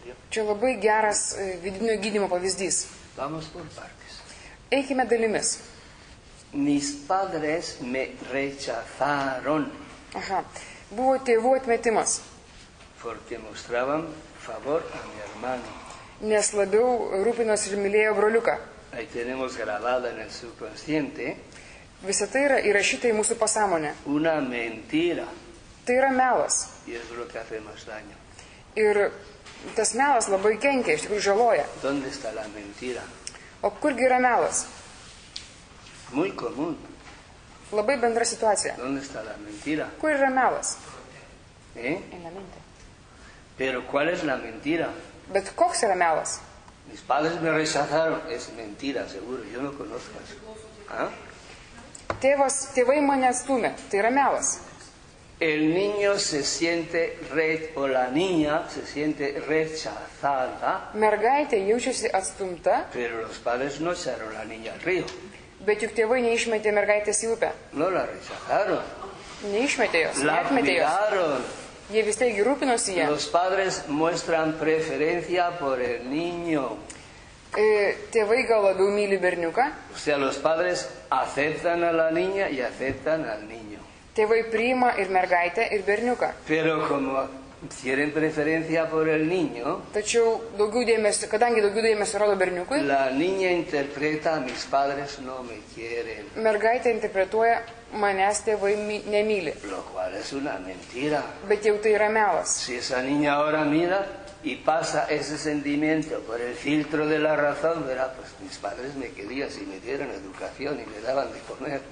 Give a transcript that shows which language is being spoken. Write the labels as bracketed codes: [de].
[lt] Čia labai geras vidinio gydymo pavyzdys. [es] Vamos por partes. [lt] Eikime dalimis. [es] Mis padres me rechazaron. [lt] Aha. Buvo tėvų atmetimas. [es] Porque mostraban favor a mi hermano. [lt] Nes labiau rūpinos ir mylėjo broliuką. [es] Ahí tenemos grabada en el subconsciente. [lt] Visa tai yra įrašyta į mūsų pasąmonę. [es] Una mentira. [lt] Tai yra melas. [es] Y es lo que hace más daño. [lt] Ir tas melas labai kenkia, iš tikrųjų žaloja. [es] ¿Dónde está la mentira? [lt] O kurgi yra melas? [es] Muy común. [lt] Labai bendra situacija. [es] ¿Dónde está la mentira? [lt] Kur yra melas? ¿Eh? [es] En la mente. Pero ¿cuál es la mentira? [lt] Bet koks yra melas? [es] Mis padres me rechazaron. Es mentira, seguro. Yo no conozco eso. ¿Ah? [lt] Tėvai mane atstumė. Tai yra melas. [es] El niño se siente o la niña se siente rechazada. [lt] Mergaitė jaučiasi atstumta. [es] Pero los padres no echaron la niña al río. [lt] Bet juk tėvai neišmetė mergaitės į upę. [es] No la rechazaron. [lt] Neišmetė jos, neatmetė jos. [es] La miraron. [lt] Jie vis tiek rūpinosi ja. [es] Los padres muestran preferencia por el niño. [lt] Tėvai gal labiau myli berniuką. [es] O sea, los padres aceptan a la niña y aceptan al niño. [lt] Tėvai priima ir mergaitę, ir berniuką. [es] Pero como tienen preferencia por el niño, [lt] tačiau daugiau dėmesio, kadangi daugiau dėmesio rodo berniukui, [es] la niña interpreta, mis padres no me quieren. [lt] Mergaitė interpretuoja, manęs tėvai nemyli. [es] Lo cual es una mentira. [lt] Bet jau tai yra melas. [es] Si esa niña ahora mira y pasa ese sentimiento por el filtro de la razón, verá, pues mis padres me querían si me dieron educación y me daban de comer.